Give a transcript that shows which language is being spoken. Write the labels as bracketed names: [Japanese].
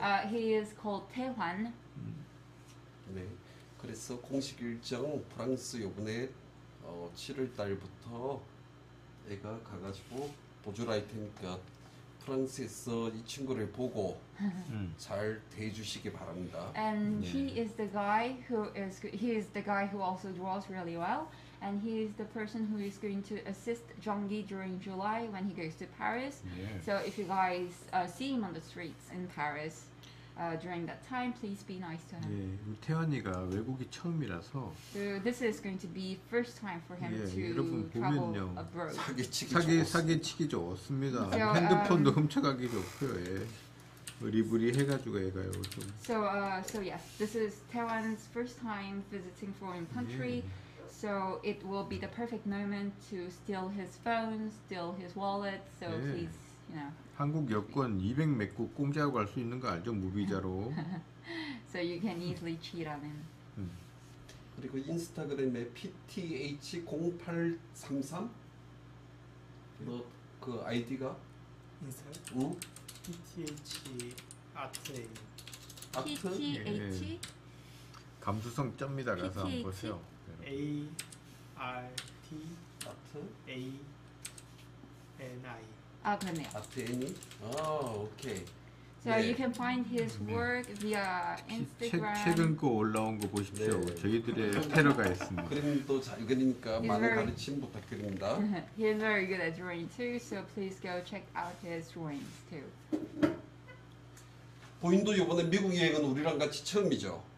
[English] He is called Taehwan. [Korean] 네, 그래서 공식 일정 프랑스 요번에 7월 달부터 애가 가가지고 보조를 할 테니까 프랑스에서 이 친구를 보고 잘 대해주시기 바랍니다. [English] And 네. he is the guy who is he is the guy who also draws really well, and he is the person who is going to assist Jonggi during July when he goes to Paris. Yeah. So if you guys see him on the streets in Paris during that time, please be nice to him. [Korean] 네, 태환이가 외국이 처음이라서. [English] So this is going to be first time for him 네, to travel abroad. [Korean] 사기치기 좋습니다. 핸드폰도 훔쳐가기 좋고요. 예. 우리 해가지고 얘가요 좀. [English] So yes, this is Taehwan's first time visiting foreign country. 네. So it will be the perfect moment to steal his phone, steal his wallet. So 네. please, you know. [Korean] 한국 여권 200 몇 국 공짜로 갈 수 있는 거 알죠? 무비자로. [English] So you can easily cheat on him. [Korean] 그리고 인스타그램에 pth0833 너 그 아이디가 인스타요? 응? pth@a. pth? 예. 감수성 쩝니다. 가서 한번 보세요. art@ani. 아 그러네요. 아트애니? 아 오케이. [English] So 네. you can find his work via Instagram. [Korean] 최근 거 올라온 거 보십시오. 네. 저희들의 패러가 있습니다. 그림도 잘 그리니까 많은 가르침 부탁드립니다. [English] He is very good at drawing too, so please go check out his drawings too. [Korean] 부인도 이번에 미국 여행은 우리랑 같이 처음이죠?